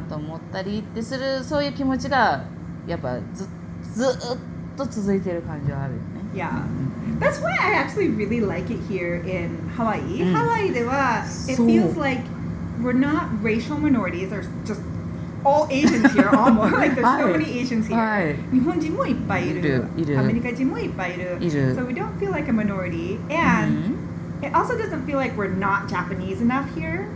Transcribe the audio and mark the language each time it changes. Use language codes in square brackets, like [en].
[ja] で、あんまりそういう人たちがいなかったとかいろんなね要素が重なってやっぱ文化的な違いとか文化的にそのまさにねこのロスジャパンにこう間にこうハマっちゃってる感中途半端だなと思ったりってするそういう気持ちがやっぱずっと続いてる感じはあるよね。 [en] Yeah. That's why I actually really like it here in Hawaii. Hawaii [ja] では [en] it feels like we're not racial minorities. There's just all Asians here almost. Like there's so many Asians here. [ja] 日本人もいっぱいいる。アメリカ人もいっぱいいる。 [en] So we don't feel like a minority. And it also doesn't feel like we're not Japanese enough here.